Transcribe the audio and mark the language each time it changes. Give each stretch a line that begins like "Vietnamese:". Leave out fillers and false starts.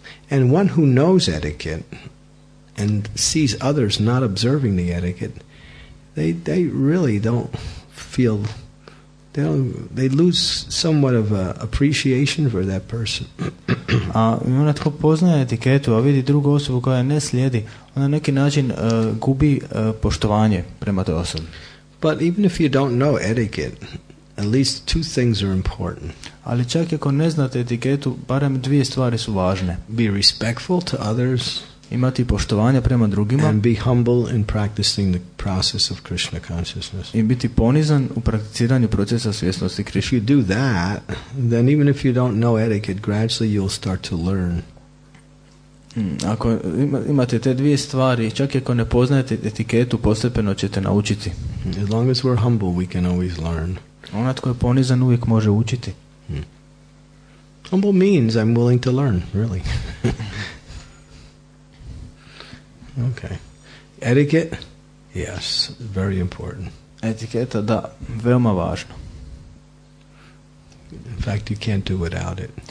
English: And one who knows etiquette and sees others not observing the etiquette, they really don't feel, they lose somewhat of a appreciation for that person.
Croatian: A ona tko poznaje etiketu, a vidi drugu osobu koja ne slijedi, na neki način gubi poštovanje prema toj osobi.
English: But even if you don't know etiquette, at least two things are important.
Croatian: Ali čak ako ne znate etiketu, barem dvije stvari su važne.
English: Be respectful to others.
Croatian: Imati poštovanje prema drugima.
English: And be humble in practicing the process of Krishna consciousness.
Croatian: I biti ponizan u prakticiranju procesa svjesnosti Krishna.
English: If you do that, then even if you don't know etiquette, gradually you'll start to learn.
Croatian: Ako imate te dvije stvari, čak ako ne poznajete etiketu, postepeno ćete naučiti.
English: As long as we're humble, we can always learn.
Croatian: Onaj tko je ponizan uvijek može učiti.
English: Humble means I'm willing to learn, really. Okay. Etiquette? Yes, very important.
Croatian: Etiketa, da, veoma važno.
English: In fact, you can't do without it.